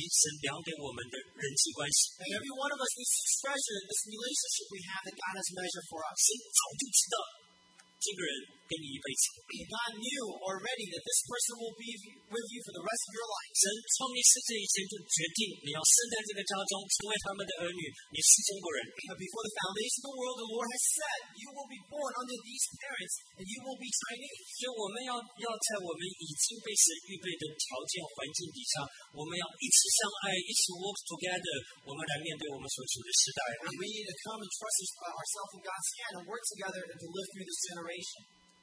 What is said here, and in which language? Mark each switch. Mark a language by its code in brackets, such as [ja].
[zh] 每一个人都要非常的珍惜神量给我们的人际关系。 [en] And every one of us needs to treasure this relationship we have that God has measured for us. [zh] 神早就知道这个人给你一辈子。 [en] God knew already that this person will be with you for the rest of your life. [zh] 神从你世界以前就决定你要生在这个家中，成为他们的儿女，你是中国人。 [en] But before the foundation of the world, the Lord has said, you will be born under these parents, and you will be Chinese. [zh] 所以我们要在我们已经被神预备的条件环境底下，我们要一起相爱，一起 [en] work together， [zh] 我们来面对我们所处的时代。 [en] And we need to come and trust ourselves in God's hand and work together and to live through this generation.